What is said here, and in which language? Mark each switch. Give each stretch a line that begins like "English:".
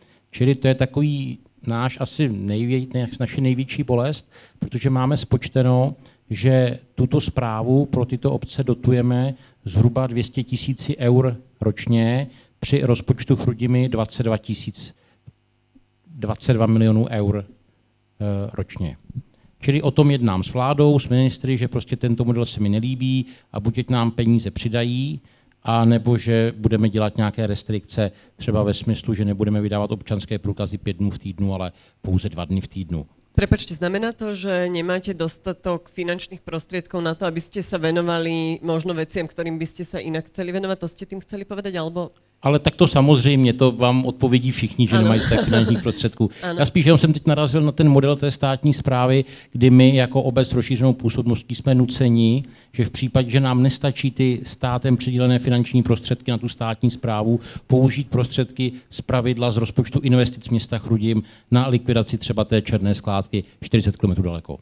Czech: Čili to je takový náš asi naše největší bolest, protože máme spočteno, že tuto správu pro tyto obce dotujeme zhruba 200 000 eur ročně při rozpočtu Chrudimi 22 milionů eur ročně. Čili o tom jednám s vládou, s ministry, že prostě tento model se mi nelíbí a buď nám peníze přidají, a nebo že budeme dělat nějaké restrikce, třeba ve smyslu, že nebudeme vydávat občanské průkazy 5 dní v týdnu, ale pouze 2 dny v týdnu.
Slovak: Prepačte, znamená to, že nemáte dostatok finančných prostriedkov na to, aby ste sa venovali možno veciam, ktorým by ste sa inak chceli venovať? To ste tým chceli povedať? Alebo...
Czech: Ale tak to samozřejmě, to vám odpovědí všichni, že nemají tak finančních prostředků. Ano. Já spíš jenom jsem teď narazil na ten model té státní správy, kdy my jako obec s rozšířenou působností jsme nuceni, že v případě, že nám nestačí ty státem přidělené finanční prostředky na tu státní správu, použít prostředky z pravidla z rozpočtu investic města Chrudim na likvidaci třeba té černé skládky 40 km daleko.